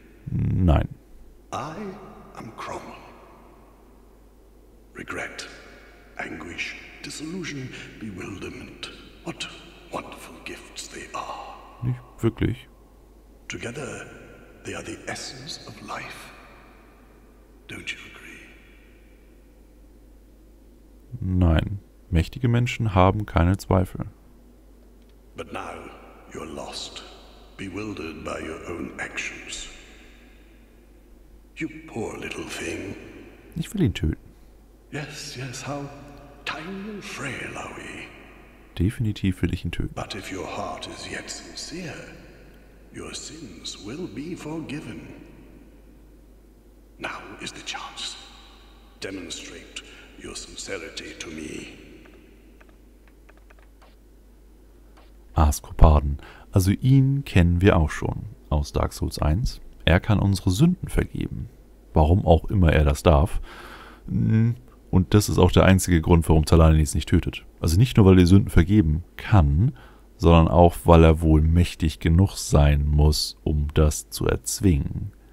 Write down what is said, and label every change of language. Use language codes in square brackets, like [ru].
[en] Nein. I am Cromwell. Regret anguish, disillusion, bewilderment. What wonderful gifts they are. [de] Nicht wirklich. [en] Together, they are the essence of life. Don't you agree? [de] Nein, mächtige Menschen haben keine Zweifel. [en] But now, you're lost, bewildered by your own actions. You poor little thing. [de] Ich will ihn töten. [en] Yes, yes, how tiny and frail are we? [de] Definitiv will ich ihn töten. [en] But if your heart is yet sincere, your sins will be forgiven. Now is the chance. Demonstrate your sincerity to me. Askopaden. [de] Also ihn kennen wir auch schon. Aus Dark Souls 1. Er kann unsere Sünden vergeben. Warum auch immer er das darf. Und das ist auch der einzige Grund, warum Talanis nicht tötet. Also nicht nur, weil er Sünden vergeben kann, sondern auch, weil er wohl mächtig genug sein muss, um das zu erzwingen.